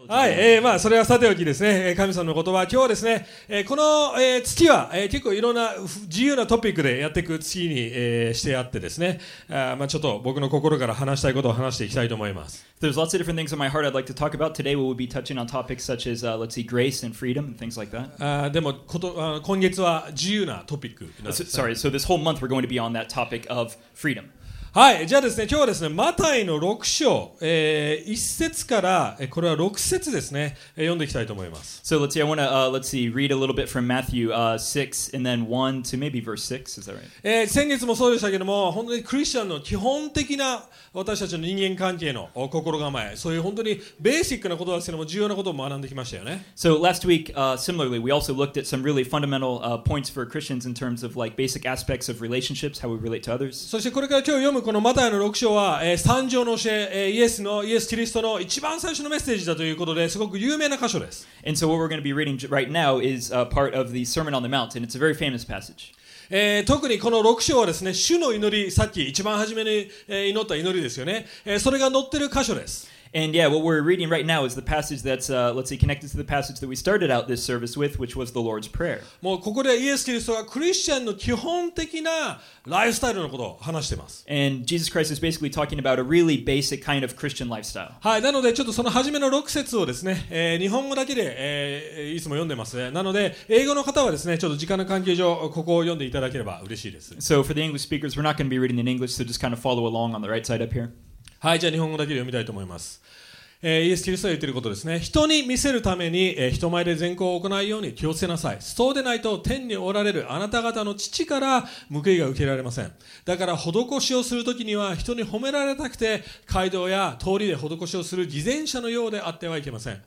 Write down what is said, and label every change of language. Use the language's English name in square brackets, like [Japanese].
[Japanese] はい、まあ、それはさておきですね、神様の言葉、今日はですね、この、月は、結構いろんな自由なトピックでやっていく月に、してあってですね、まあ、ちょっと僕の心から話したいことを話していきたいと思います。 [English] There's lots of different things in my heart I'd like to talk about. Today we'll be touching on topics such as, let's see, grace and freedom and things like that. [Japanese] でも、今月は自由なトピックなんですね。 [English] Sorry, so this whole month we're going to be on that topic of freedom. [Japanese] はい、じゃあですね、今日はですね、マタイの6章、1節から、これは6節ですね、読んでいきたいと思います。 [English] So let's see, I wanna, let's see, read a little bit from Matthew 6 and then 1 to maybe verse 6, is that right? [Japanese] 先月もそうでしたけども、本当にクリスチャンの基本的な私たちの人間関係の心構え、そういう本当にベーシックなことですけども、重要なことを学んできましたよね。 [English] So last week, similarly, we also looked at some really fundamental, points for Christians in terms of like basic aspects of relationships, how we relate to others. [Japanese] そしてこれから今日読むこのマタイの6章は、三条の教え、イエスキリストの一番最初のメッセージだということで、すごく有名な箇所です。 [English] And so what we're going to be reading right now is a part of the Sermon on the Mount, and it's a very famous passage. [Japanese] 特にこの6章はですね、主の祈り、さっき一番初めに、祈った祈りですよね、それが載ってる箇所です。 [English] And yeah, what we're reading right now is the passage that's, let's see, connected to the passage that we started out this service with, which was the Lord's Prayer. [Japanese] もうここでイエス・キリストがクリスチャンの基本的なライフスタイルのことを話してます。 [English] And Jesus Christ is basically talking about a really basic kind of Christian lifestyle. [Japanese] はい、なのでちょっとその初めの6節をですね、日本語だけで、いつも読んでます。なので英語の方はですね、ちょっと時間の関係上ここを読んでいただければ嬉しいです。 [English] So for the English speakers, we're not going to be reading in English, so just kind of follow along on the right side up here. [Japanese] はい、じゃあ日本語だけで読みたいと思います、イエス・キリストが言っていることですね。人に見せるために、人前で善行を行うように気をつけなさい。そうでないと天におられるあなた方の父から報いが受けられません。だから施しをするときには人に褒められたくて街道や通りで施しをする偽善者のようであってはいけません。